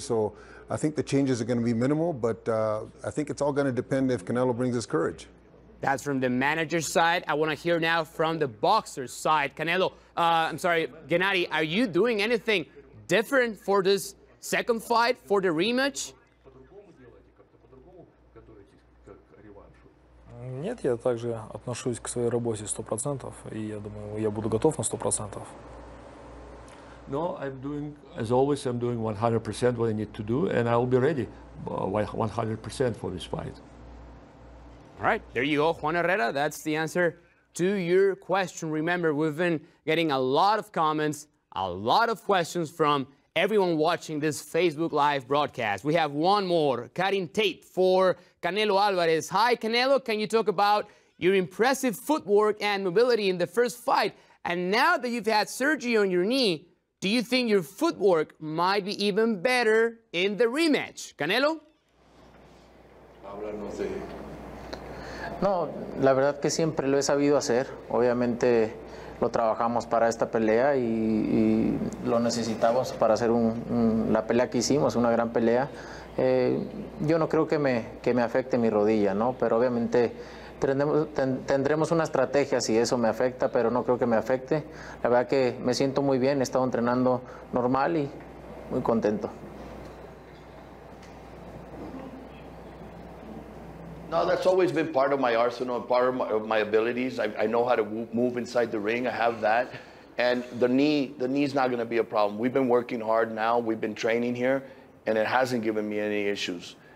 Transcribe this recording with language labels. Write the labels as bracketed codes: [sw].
[en] So I think the changes are going to be minimal, but I think it's all going to depend if Canelo brings his courage. That's from the manager's side. I want to hear now from the boxer's side. Canelo, I'm sorry, Gennady, are you doing anything different for this second fight, for the rematch? [ru] Нет, я также отношусь к своей работе 100%, и я думаю, я буду готов на 100%. [en] No, I'm doing, as always, I'm doing 100% what I need to do, and I'll be ready 100% for this fight. All right, there you go, Juan Herrera. That's the answer to your question. Remember, we've been getting a lot of comments, a lot of questions from everyone watching this Facebook Live broadcast. We have one more, cutting tape for Canelo Alvarez. Hi, Canelo, can you talk about your impressive footwork and mobility in the first fight? And now that you've had surgery on your knee, do you think your footwork might be even better in the rematch? Canelo? [es] No, la verdad que siempre lo he sabido hacer. Obviamente lo trabajamos para esta pelea y lo necesitamos para hacer la pelea que hicimos, una gran pelea. Yo no creo que me afecte mi rodilla, ¿no? Pero obviamente tendremos una estrategia si eso me afecta, pero no creo que me afecte. La verdad que me siento muy bien, he estado entrenando normal y muy contento. [en] No, that's always been part of my arsenal, part of my abilities. I know how to move inside the ring. I have that. And the knee's not going to be a problem. We've been working hard now. We've been training here, and it hasn't given me any issues.